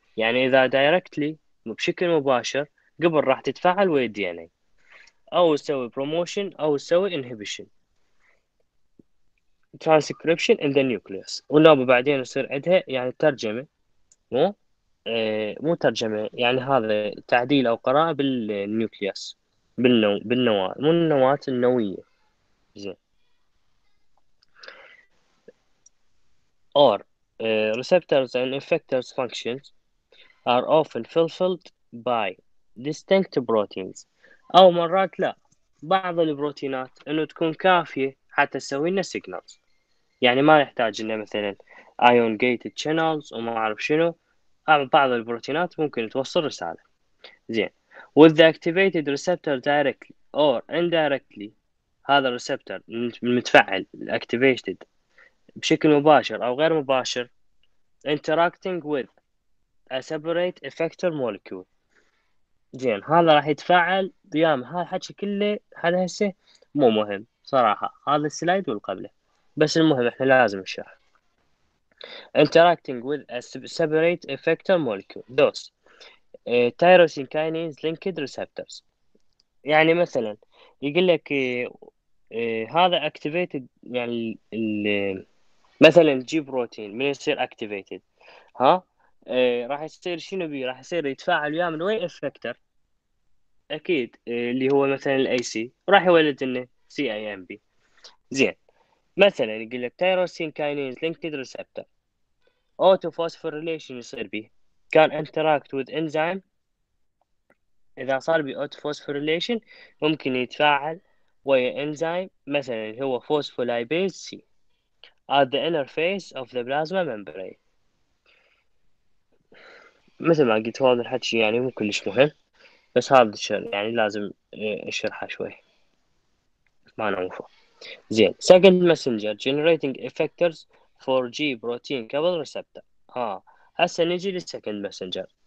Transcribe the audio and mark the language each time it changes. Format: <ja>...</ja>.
<ar>يعني إذا directly بشكل مباشر قبل راح تتفاعل ويا DNA أو تسوي promotion أو تسوي</ar> <en>inhibition transcription in the nucleus.</en> <ar>ونوبة بعدين يصير عندها يعني ترجمة، مو ترجمة يعني هذا تعديل أو قراءة بالنيوكليوس بالنواة، مو النواة، النوية.</ar> <en>زين، or receptors and effectors functions are often fulfilled by distinct proteins.</en> <ar>أو مرات لا، بعض البروتينات إنه تكون كافية حتى تسوي لنا signals، يعني ما يحتاج لنا مثلا ion gated channels وما أعرف شنو. بعض البروتينات ممكن توصل رسالة.</ar> <en>زين، with the activated receptor directly or indirectly،</en> <ar>هذا الريسبتور المتفعل activated بشكل مباشر أو غير مباشر</ar> <en>interacting with a separate effector molecule.</en> <ar>زين، هذا راح يتفاعل ديام هذا الحكي كله. هذا هسه مو مهم صراحة هذا السلايد والقبله، بس المهم احنا لازم نشرح</ar> <en>interacting with a separate effector molecule those tyrosine kinase linked receptors.</en> <ar>يعني مثلا يقول لك هذا activated، يعني مثلا جي بروتين من يصير activated ها راح يصير شنو بيه؟ راح يصير يتفاعل وياه من وين؟ effector اكيد اللي هو مثلا الاي سي، راح يولد لنا سي اي ام بي. زين، مثلا يقول لك</ar> <en>tyrosine kinase linked receptor auto phosphorylation</en> <ar>يصير به،</ar> <en>can interact with enzyme.</en> <ar>إذا صار به auto phosphorylation ممكن يتفاعل ويا enzyme مثلا هو phospholipase C</ar> <en>at the interface of the plasma membrane.</en> <ar>مثل ما قلت هذا الحكي يعني مو كلش مهم، بس هذا الشر يعني لازم اشرحه شوي ما نعرفه.</ar> <en>زين، second messenger generating effectors for G protein coupled receptor.</en> <ar>ها هسه نجي للسكند مسنجر.</ar>